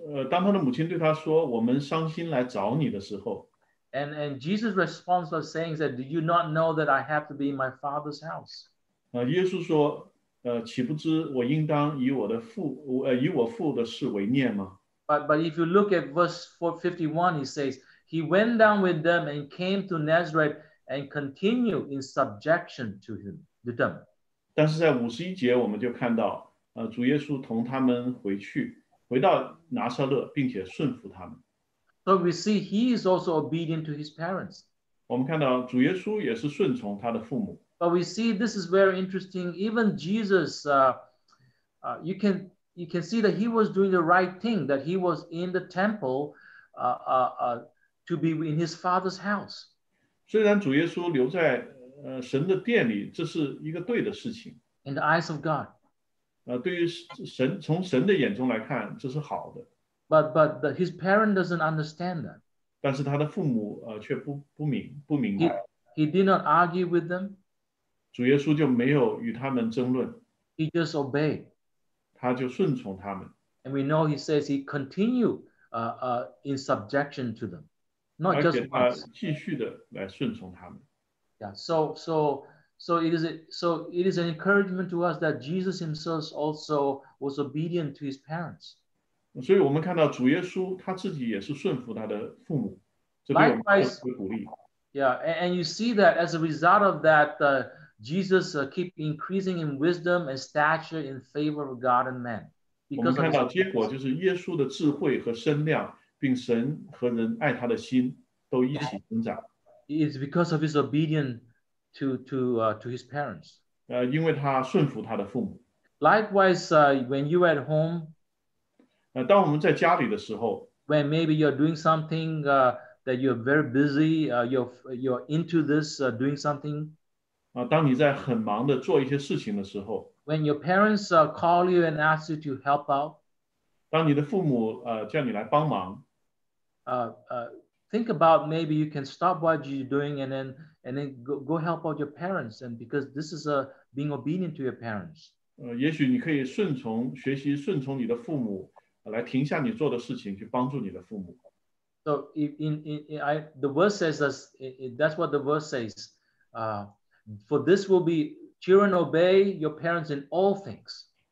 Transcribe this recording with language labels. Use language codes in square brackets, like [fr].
[zh] 当他的母亲对他说，我们伤心来找你的时候。 [en] And Jesus' response was saying that, do you not know that I have to be in my father's house? [zh] 耶稣说，岂不知我应当以我父的事为念吗？ [en] But if you look at verse 451, he says, he went down with them and came to Nazareth and continued in subjection to them. [zh] 但是在51节我们就看到，主耶稣同他们回去，回到拿撒勒，并且顺服他们。 [en] So we see he is also obedient to his parents. [zh] 我们看到主耶稣也是顺从他的父母。 [en] But we see this is very interesting. Even Jesus, you can see that he was doing the right thing, that he was in the temple to be in his father's house. [zh] 虽然主耶稣留在神的殿里，这是一个对的事情。 [en] In the eyes of God. [zh] 对于神，从神的眼中来看，这是好的。 [en] But his parent doesn't understand that. [zh] 但是他的父母却不明白。 [en] He did not argue with them. [zh] 主耶稣就没有与他们争论。 [en] He just obeyed. [zh] 他就顺从他们。 [en] And we know he says he continued in subjection to them. Not just once. [zh] 而且他继续的来顺从他们。 [en] Yeah, so it is an encouragement to us that Jesus himself also was obedient to his parents. [zh] 所以我们看到主耶稣他自己也是顺服他的父母，这对我们也是鼓励。 [en] Yeah, and you see that as a result of that, Jesus keep increasing in wisdom and stature in favor of God and man. [zh] 我们看到结果就是耶稣的智慧和身量，并神和人爱他的心都一起增长。 [en] It's because of his obedience to his parents. [zh] 因为他顺服他的父母。 [en] Likewise, when you at home. [zh] 当我们在家里的时候 [en] ，when maybe you're doing something that you're very busy, you're into this doing something. [zh] 当你在很忙的做一些事情的时候 [en] ，when your parents call you and ask you to help out. [zh] 当你的父母叫你来帮忙 [en] think about maybe you can stop what you're doing and then go help out your parents, and because this is being obedient to your parents. [zh] 也许你可以顺从，学习顺从你的父母。来停下你做的事情，去帮助你的父母。 [en] So the verse says that's what the verse says. For this will be children obey your parents in all things.